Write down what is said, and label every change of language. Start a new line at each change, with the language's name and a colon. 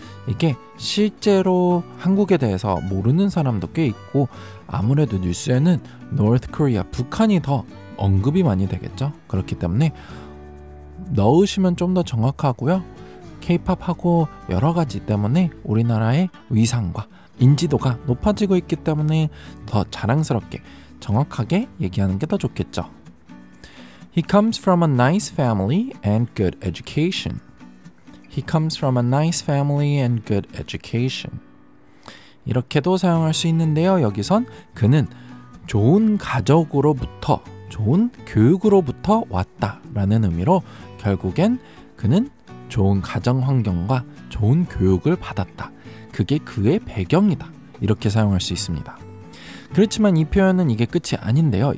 Korean: 이게 실제로 한국에 대해서 모르는 사람도 꽤 있고 아무래도 뉴스에는 North Korea, 북한이 더 언급이 많이 되겠죠. 그렇기 때문에 넣으시면 좀 더 정확하고요. K-POP하고 여러 가지 때문에 우리나라의 위상과 인지도가 높아지고 있기 때문에 더 자랑스럽게 정확하게 얘기하는 게 더 좋겠죠.
English: He comes from a nice family and good education. He comes from a nice family and good education.
Korean: 이렇게도 사용할 수 있는데요. 여기선 그는 좋은 가족으로부터 좋은 교육으로부터 왔다 라는 의미로 결국엔 그는 좋은 가정환경과 좋은 교육을 받았다. 그게 그의 배경이다. 이렇게 사용할 수 있습니다. 그렇지만 이 표현은 이게 끝이 아닌데요.